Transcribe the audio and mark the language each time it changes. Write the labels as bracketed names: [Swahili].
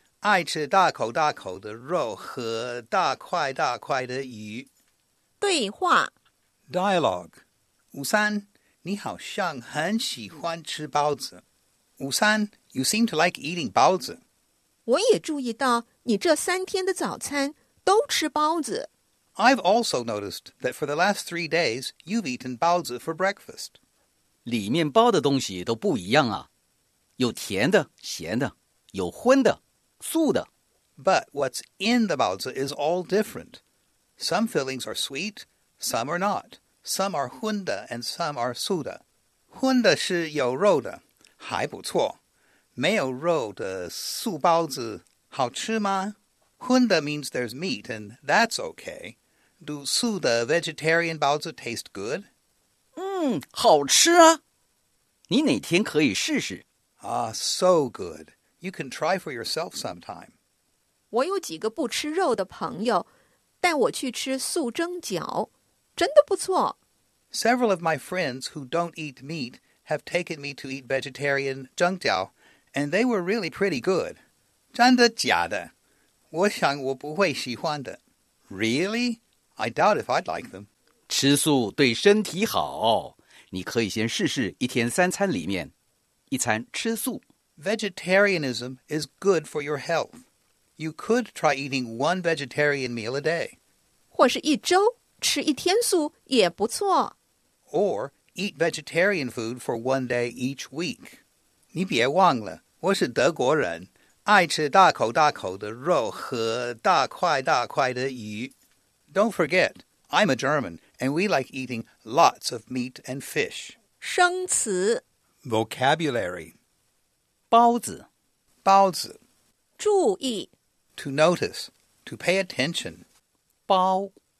[Chinese] 爱吃大口大口的肉和大块大块的鱼。对话 [English] Dialogue [Chinese] 武三，你好像很喜欢吃包子。 [English] 武三 You seem to like eating 包子。 [Chinese] 我也注意到你这三天的早餐都吃包子。 [English] I've also noticed that for the last 3 days, you've eaten 包子 for breakfast. [Chinese] 里面包的东西都不一样啊。有甜的、咸的、有荤的。素的 [English] But what's in the 包子 is all different. Some fillings are sweet, some are not. Some are 荤的 and some are 素的。 [Chinese] 荤的是有肉的，还不错。没有肉的素包子好吃吗？ [English] 荤的 means there's meat and that's okay. Do 素的 vegetarian 包子 taste good? [Chinese] 嗯，好吃啊。你哪天可以试试？ [English] Ah, so good. You can try for yourself sometime. [Chinese] 我有几个不吃肉的朋友，带我去吃素蒸饺，真的不错。 [English] Several of my friends who don't eat meat have taken me to eat vegetarian 蒸饺, and they were really pretty good. [Chinese] 真的假的？我想我不会喜欢的。 [English] Really? I doubt if I'd like them. [Chinese] 吃素对身体好，你可以先试试一天三餐里面，一餐吃素。 [English] Vegetarianism is good for your health. You could try eating one vegetarian meal a day. [Chinese] 或是一周吃一天素也不错。 [English] Or eat vegetarian food for 1 day each week. [Chinese] 你别忘了，我是德国人，爱吃大口大口的肉和大块大块的鱼。 [English] Don't forget, I'm a German, and we like eating lots of meat and fish. [Chinese] 生词 [English] Vocabulary. [Chinese] 包子，包子。注意 [English] ，to notice, to pay attention. [Chinese] 包